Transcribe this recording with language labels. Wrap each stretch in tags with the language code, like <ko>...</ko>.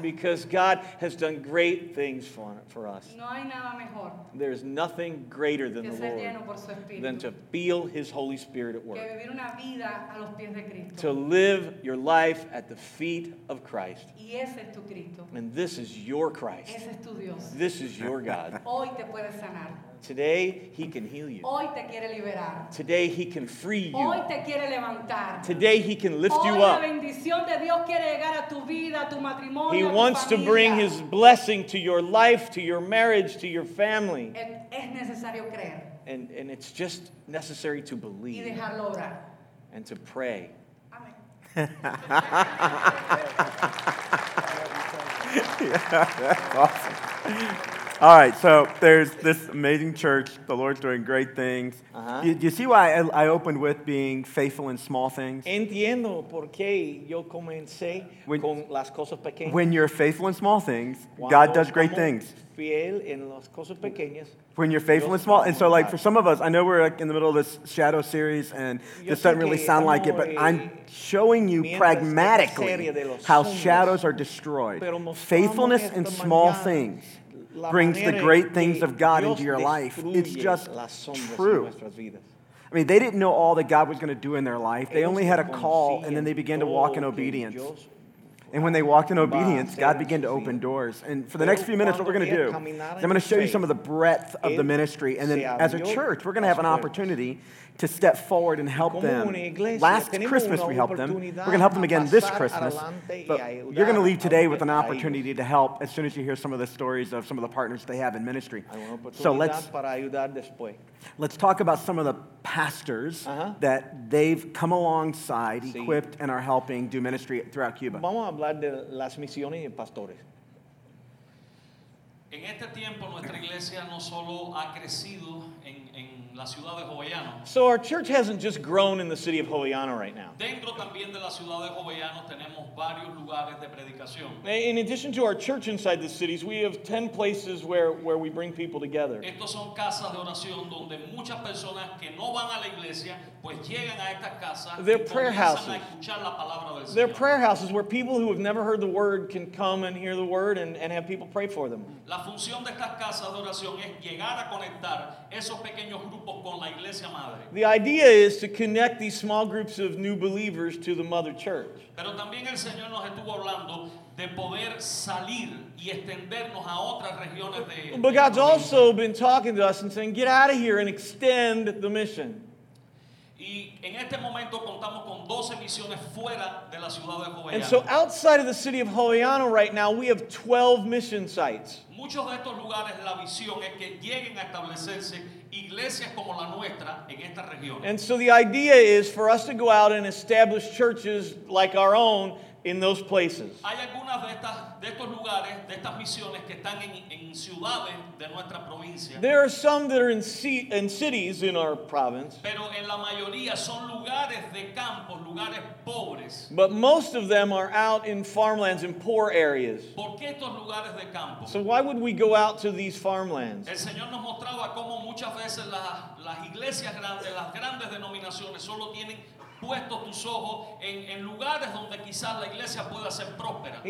<en>Because God has done great things for us.</en> <es>No hay nada mejor.</es> <en>There is nothing greater than the Lord than to feel his Holy Spirit at work.</en> <es>Que vivir una vida a los pies de Cristo.</es> <en>To live your life at the feet of Christ.</en> <es>Y ese es tu Cristo.</es> <en>And this is your Christ.</en> <es>Ese es tu Dios.</es> <en>This is your God.</en> <es>Hoy te puede sanar.</es> <en>Today he can heal you.</en> <es>Hoy te quiere liberar.</es> <en>Today he can free you.</en> <es>Hoy te quiere levantar.</es> <en>Today he can lift</en> <es>hoy</es> <en>you up.</en> <es>La bendición de Dios quiere llegar a tu vida, a tu matrimonio,</es> <en>he</en> <es>a tu</es> <en>wants</en> <es>familia.</es> <en>To bring his blessing to your life, to your marriage, to your family.</en> <es>Es necesario creer.</es> <en>And it's just necessary to believe.</en> <es>Y dejarlo orar.</es> <en>And to pray. Amen. Yeah, that's awesome. All right, so there's this amazing church. The Lord's doing great things. You see why I opened with being faithful in small things?</en> <es>Entiendo por qué yo comencé con las cosas pequeñas.</es> <en>When you're faithful in small things, God does great things.</en> <es>Fiel en las cosas pequeñas.</es> <en>When you're faithful and small. And so like for some of us, I know we're like in the middle of this shadow series and this doesn't really sound like it, but I'm showing you pragmatically how shadows are destroyed. Faithfulness in small things brings the great things of God into your life. It's just true. I mean, they didn't know all that God was going to do in their life. They only had a call and then they began to walk in obedience. And when they walked in obedience, God began to open doors. And for the next few minutes, what we're going to do is I'm going to show you some of the breadth of the ministry. And then as a church, we're going to have an opportunity to step forward and help them. Last Christmas, we helped them. We're going to help them again this Christmas. But you're going to leave today with an opportunity to help as soon as you hear some of the stories of some of the partners they have in ministry. So let's talk about some of the pastors that they've come alongside, equipped, and are helping do ministry throughout Cuba.</en> <es>Vamos a hablar de las misiones de pastores. En este tiempo, nuestra iglesia no solo ha crecido en la ciudad de Jovellano.</es> <en>So our church hasn't just grown in the city of Jovellano right now.</en> <es>Dentro también de la ciudad de Jovellano tenemos varios lugares de predicación.</es> <en>In addition to our church inside the cities, we have 10 places where we bring people together.</en> <es>Estos son casas de oración donde muchas personas que no van a la iglesia, pues llegan a estas casas.</es> <en>They're prayer houses.</en> <es>Y comienzan a escuchar la palabra del Señor.</es> <en>They're prayer houses where people who have never heard the word can come and hear the word and have people pray for them.</en> <es>La función de estas casas de oración es llegar a conectar esos pequeños grupos con la iglesia madre.</es> <en>The idea is to connect these small groups of new believers to the mother church.</en> <es>Pero también el Señor nos estuvo hablando de poder salir y extendernos a otras regiones de Cuba.</es> <en>But God's also been talking to us and saying, get out of here and extend the mission.</en> <es>Y en este momento contamos con 12 misiones fuera de la ciudad de Jovellano.</es> <en>And so outside of the city of Jovellano right now, we have 12 mission sites.</en> <es>Muchos de estos lugares, la visión es que lleguen a establecerse iglesias como la nuestra en esta región.</es> <en>And so the idea is for us to go out and establish churches like our own in those places.</en> <es>Hay algunas de estos lugares, de estas misiones que están en ciudades de nuestra provincia.</es> <en>There are some that are in cities in our province.</en> <es>Pero en la mayoría son lugares de campo, lugares pobres.</es> <en>But most of them are out in farmlands in poor areas.</en> <es>¿Por qué estos lugares de campo?</es> <en>So why would we go out to these farmlands?</en> <es>El Señor nos mostraba cómo muchas veces las iglesias grandes, las grandes denominaciones solo tienen puesto tus ojos en lugares donde quizás la iglesia pueda ser próspera.</es>